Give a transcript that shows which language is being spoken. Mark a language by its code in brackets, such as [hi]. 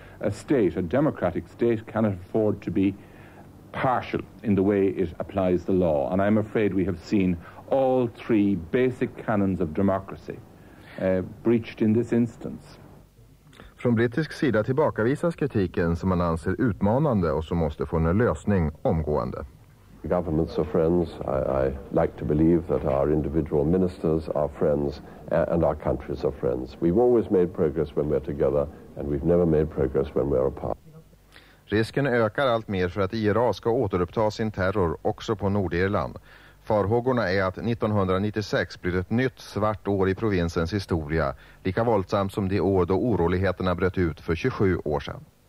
[en] A state, a democratic state, cannot afford to be partial in the way it applies the law. And I'm afraid we have seen all three basic canons of democracy breached in this instance. [sv] Från brittisk sida tillbakavisas kritiken som man anser utmanande och som måste få en lösning omgående. [en] Governments are friends. I like to believe that our individual ministers are friends and our countries are friends. We've always made progress when we're together and we've never made progress when we're apart. [sv] Risken ökar allt mer för att IRA ska återuppta sin terror också på Nordirland. Farhågorna är att 1996 blir ett nytt svart år i provinsens historia, lika våldsamt som det år då oroligheterna bröt ut för 27 år sedan.